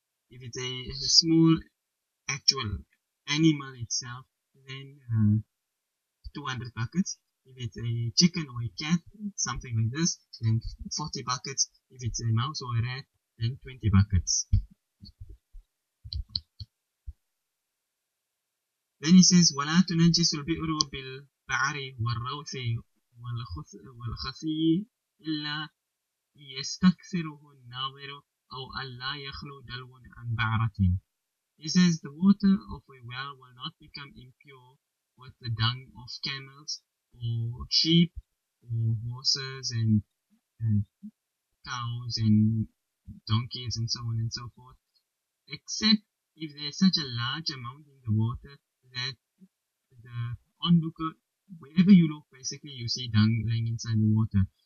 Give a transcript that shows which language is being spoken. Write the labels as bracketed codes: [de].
[en] If it's a small actual animal itself, then 200 buckets. If it's a chicken or a cat, something like this, then 40 buckets. If it's a mouse or a rat, then 20 buckets. [ar] Then he says, وَلَا تُنَجِّسُ الْبِئْرُ بِالْبَعَرِ وَالرَّوْثِ وَالْخَفِي إِلَّا يَسْتَكْثِرُهُ النَّاظِرُ أَوْ أَلَّا يَخْلُو دَلْوٌ عَنْ بَعْرَةٍ. [en] He says, the water of a well will not become impure with the dung of camels or sheep or horses and cows and donkeys and so on and so forth, except if there's such a large amount in the water that the onlooker, wherever you look, basically you see dung lying inside the water.